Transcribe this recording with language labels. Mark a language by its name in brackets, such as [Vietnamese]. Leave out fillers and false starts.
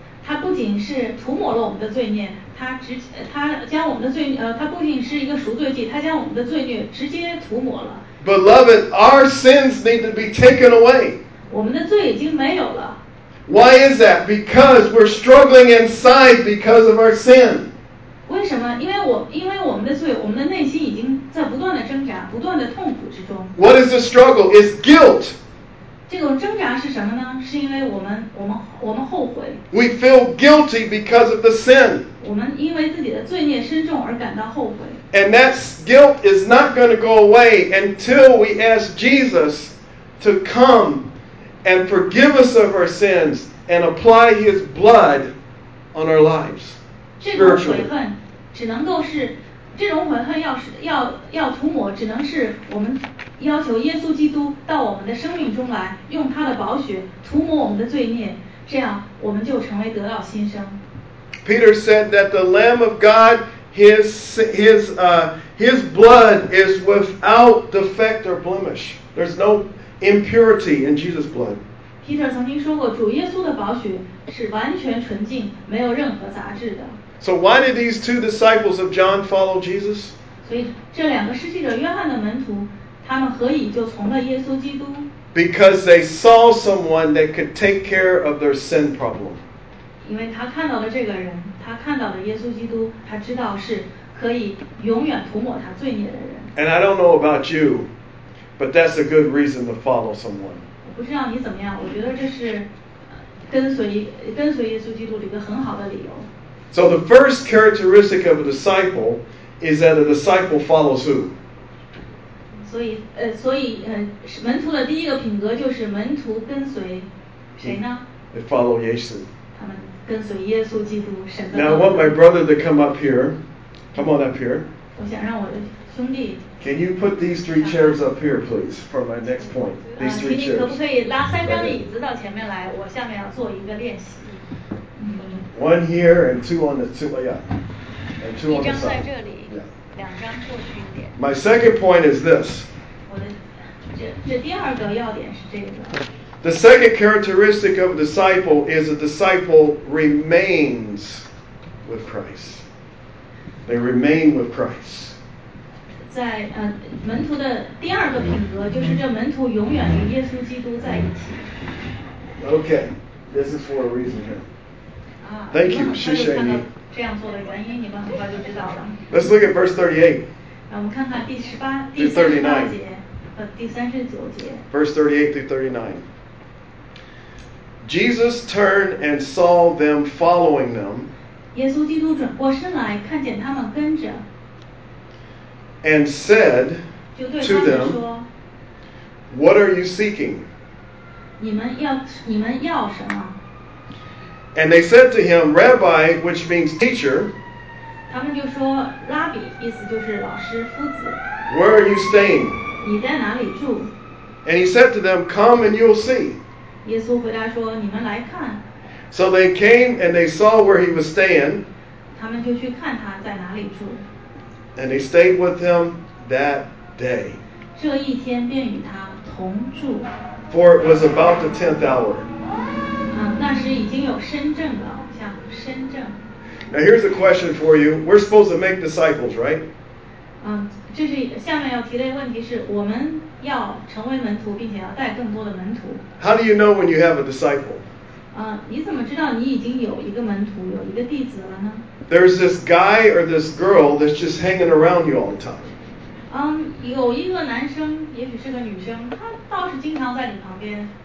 [Chinese] 他不仅是涂抹了我们的罪孽，他将我们的罪他不仅是一个赎罪祭，他将我们的罪孽直接涂抹了。 [English] Beloved, our sins need to be taken away. [Chinese] 我们的罪已经没有了。 [English] Why is that? Because we're struggling inside because of our sin. [Chinese] 为什么？因为我们的罪，我们的内心已经在不断的挣扎，不断的痛苦之中。 [English] What is the struggle? It's guilt. [Chinese] 这种挣扎是什么呢？是因为我们后悔。 [English] We feel guilty because of the sin. [Chinese] 我们因为自己的罪孽深重而感到后悔。 [English] And that guilt is not going to go away until we ask Jesus to come and forgive us of our sins and apply His blood on our lives. [Chinese] 这种悔恨只能够是这种悔恨要涂抹，只能是我们。要求耶稣基督到我们的生命中来，用他的宝血涂抹我们的罪孽，这样我们就成为得到新生。 [English] Peter said that the Lamb of God, his His blood is without defect or blemish. There's no impurity in Jesus' blood. [Chinese] Peter 曾经说过，主耶稣的宝血是完全纯净，没有任何杂质的。 [English] So why did these two disciples of John follow Jesus? [Chinese] 所以这两个施洗者约翰的门徒，他们何以就从了耶稣基督？ [English] Because they saw someone that could take care of their sin problem. [Chinese] 因为他看到了这个人，他看到了耶稣基督，他知道是可以永远涂抹他罪孽的人。 [English] And I don't know about you, but that's a good reason to follow someone. [Chinese] 不知道你怎么样，我觉得这是跟随耶稣基督的一个很好的理由。 [English] So the first characteristic of a disciple is that a disciple follows who? [Chinese] 所以门徒的第一个品格就是门徒跟随谁呢？ [English] They follow Jesus. [Chinese] 他们跟随耶稣基督，神的。 [English] Now I want my brother to come up here. Come on up here. [Chinese] 我想让我的兄弟。 [English] Can you put these three chairs up here, please, for my next point? These three chairs. [Chinese] 请你可不可以拉三张椅子到前面来？我下面要做一个练习。 [English] One here and two on the two, yeah. And two on the side. [Chinese] 一张在这里。 [English] Yeah. [Chinese] 两张过去一点。 [English] My second point is this. [Chinese] 我的这第二个要点是这个。 [English] The second characteristic of a disciple is a disciple remains with Christ. They remain with Christ. [Chinese] 在门徒的第二个品格，就是这门徒永远与耶稣基督在一起。 [English] Okay, this is for a reason here. Thank you, [Chinese] 谢谢你。这样做的原因，你们很快就知道了。 [English] Let's look at verse 38. [Chinese] 让我们看看第39节和第39节。 [English] Verse 38 through 39. Jesus turned and saw them following them. [Chinese] 耶稣基督转过身来，看见他们跟着。 [English] And said to them, What are you seeking? [Chinese] 你们要什么？ [English] And they said to him, Rabbi, which means teacher, [Chinese] 他们就说拉比，意思就是老师，夫子。 [English] Where are you staying? [Chinese] 你在哪里住？ [English] And he said to them, Come and you'll see. [Chinese] 耶稣回答说，你们来看。 [English] So they came and they saw where he was staying. [Chinese] 他们就去看他在哪里住。 [English] And they stayed with him that day. [Chinese] 这一天便与他同住。 [English] For it was about the 10th hour. [Chinese] 那时已经有申正了，像申正。 [English] Now here's a question for you. We're supposed to make disciples, right? [Chinese] 这是下面要提的问题是，我们要成为门徒，并且要带更多的门徒。 [English] How do you know when you have a disciple? [Chinese] 你怎么知道你已经有一个门徒，有一个弟子了呢？ [English] There's this guy or this girl that's just hanging around you all the time. [Chinese] 有一个男生，也许是个女生，他倒是经常在你旁边。